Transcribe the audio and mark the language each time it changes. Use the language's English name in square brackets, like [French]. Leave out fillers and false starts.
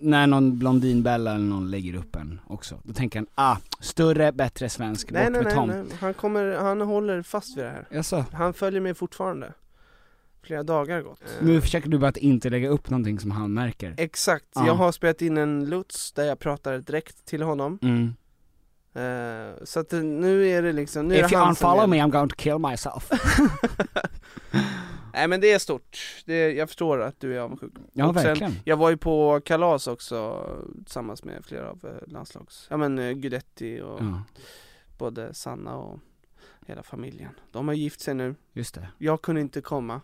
[Swedish] När någon blondinbella eller någon lägger upp en också. Då tänker han, ah, större, bättre svensk. Nej, nej, nej. Han kommer, han håller fast vid det här. Jaså. Han följer mig fortfarande. Flera dagar gått. Nu försöker du bara att inte lägga upp någonting som han märker. Exakt. Ah. Jag har spelat in en luts där jag pratar direkt till honom. Mm. Så att nu är det liksom... Nu [English] If you unfollow me, I'm going to kill myself. [Swedish] Nej, men det är stort. Det är, jag förstår att du är avundsjuk. Ja, och verkligen. Sen, jag var ju på kalas också tillsammans med flera av landslags... Ja, men Gudetti och både Sanna och hela familjen. De har gift sig nu. Just det. Jag kunde inte komma.